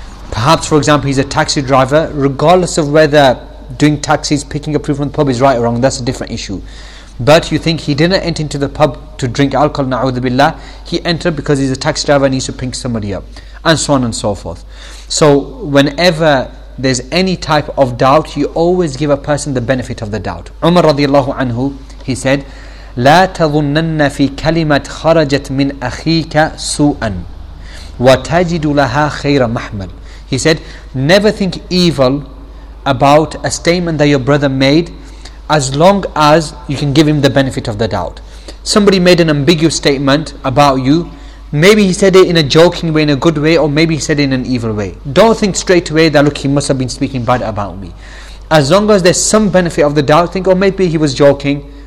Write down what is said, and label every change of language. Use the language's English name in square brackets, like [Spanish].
[English] Perhaps, for example, he's a taxi driver. Regardless of whether doing taxis, picking up food from the pub is right or wrong, that's a different issue. But you think he didn't enter into the pub to drink alcohol, na'udhu billah. He entered because he's a taxi driver and needs to pick somebody up. And so on and so forth. So whenever there's any type of doubt, you always give a person the benefit of the doubt. Umar radiallahu anhu, he said, [Arabic] لَا تَظُنَّنَّ فِي كَلِمَةِ خَرَجَتْ مِنْ أَخِيكَ سُوءًا وَتَجِدُ لَهَا خَيْرًا مَحْمَلًا. [English] He said, never think evil about a statement that your brother made, as long as you can give him the benefit of the doubt. Somebody made an ambiguous statement about you. Maybe he said it in a joking way, in a good way, or maybe he said it in an evil way. Don't think straight away that, look, he must have been speaking bad about me. As long as there's some benefit of the doubt, think, oh, maybe he was joking.